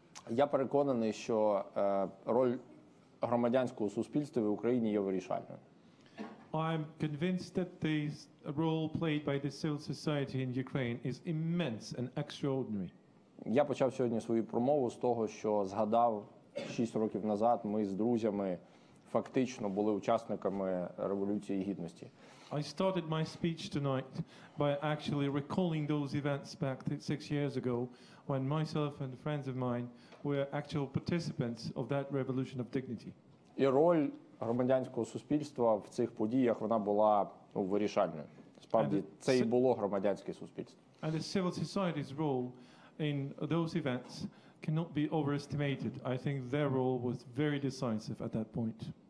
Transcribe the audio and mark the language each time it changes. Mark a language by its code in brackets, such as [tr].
[uk] Я переконаний, що роль громадянського суспільства в Україні є вирішальною. [en] I'm convinced that the role played by the civil society in Ukraine is immense and extraordinary. [uk] Я почав сьогодні свою промову з того, що згадав 6 років назад ми з друзями фактично були учасниками Революції Гідності. [en] I started my speech tonight by actually recalling those events back 6 years ago when myself and friends of mine were actual participants of that Revolution of Dignity. [uk] І роль громадянського суспільства в цих подіях, вона була вирішальною. Справді, це і було громадянське суспільство. [en] And the civil society's role in those events cannot be overestimated. I think their role was very decisive at that point.